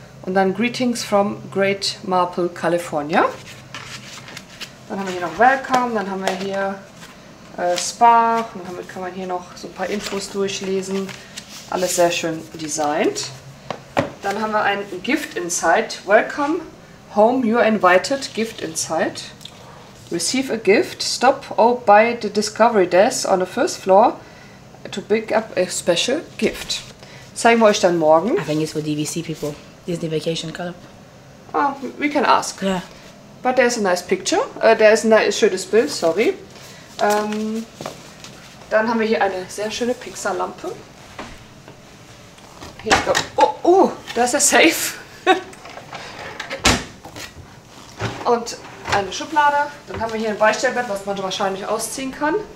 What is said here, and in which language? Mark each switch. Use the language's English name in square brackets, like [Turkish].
[German] Und dann [English] Greetings from Great Marple, California. [German] Dann haben wir hier noch Welcome, dann haben wir hier Spa. Und damit kann man hier noch so ein paar Infos durchlesen. Alles sehr schön designt. Dann haben wir ein Gift Inside. [English] Welcome home, you're invited. Gift Inside. Receive a gift. Stop by the Discovery Desk on the first floor to pick up a special gift. [German] Zeigen wir euch dann morgen. [English] I think it's for DVC people. Disney Vacation Club. Oh, we can ask. Yeah. But there's a nice picture. There is a nice, [German] schönes Bild, [English] sorry. [German] Dann haben wir hier eine sehr schöne Pixar-Lampe. Oh, da ist der Safe. Und eine Schublade. Dann haben wir hier ein Beistellbett, was man wahrscheinlich ausziehen kann.